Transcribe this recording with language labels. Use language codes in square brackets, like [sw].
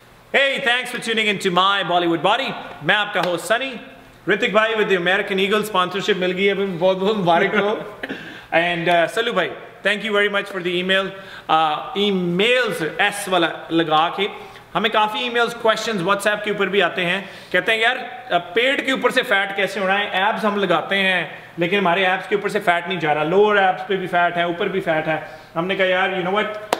[en] thanks for tuning in to My Bollywood Body. [hi] मैं आपका host Sunny. Ritik bhai [en] with the American Eagle sponsorship [hi] मिल गई है अभी बहुत बहुत मुबारक हो. [en] And Salu bhai, thank you very much for the email. [hi] Emails S वाला लगा के हमें काफी emails questions WhatsApp के ऊपर भी आते हैं. कहते हैं यार पेट के ऊपर से fat कैसे उड़ाएं? Abs हम लगाते हैं लेकिन हमारे abs के ऊपर से fat नहीं जा रहा. Lower abs पे भी fat है, ऊपर भी fat है. हमने कहा यार [en] you know what?